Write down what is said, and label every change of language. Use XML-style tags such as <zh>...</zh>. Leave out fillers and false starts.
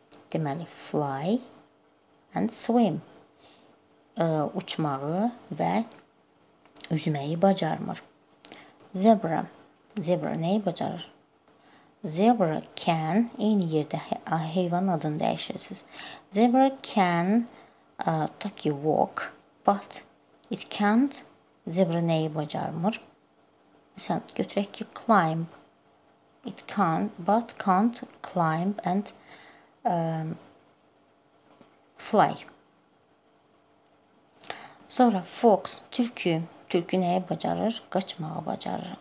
<az>Deməli,</az> <en>fly and swim.</en> <az>Uçmağı və üzməyi bacarmır. Zebra nəyi bacarır? Zebra can, eyni yerdə heyvan adını dəyişirsiniz.</az> <en>Zebra can take a walk, but it can't.</en> <az>Zebra nəyi bacarmır? Məsələn, götürək ki, climb.</az> <en>It can, but can't climb and fly.</en> <az>Sonra fox, tülkü. Tülkü neyi bacarır? Qaçmağı bacarır.</az>